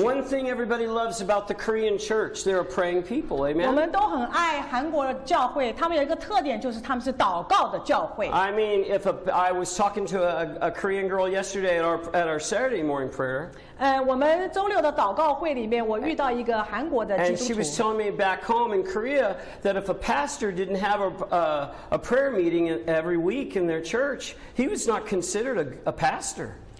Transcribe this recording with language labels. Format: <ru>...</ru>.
<en>One thing everybody loves about the Korean church, they're a praying people. Amen?</en> <zh>我们都很爱韩国教会，他们有一个特点就是他们是祷告的教会。</zh> <en>I mean, I was talking to a Korean girl yesterday at our Saturday morning prayer.</en> <zh>我们周六的祷告会里面，我遇到一个韩国的基督徒。</zh> <en>And she was telling me back home in Korea that if a pastor didn't have a prayer meeting every week in their church, he was not considered a pastor.</en>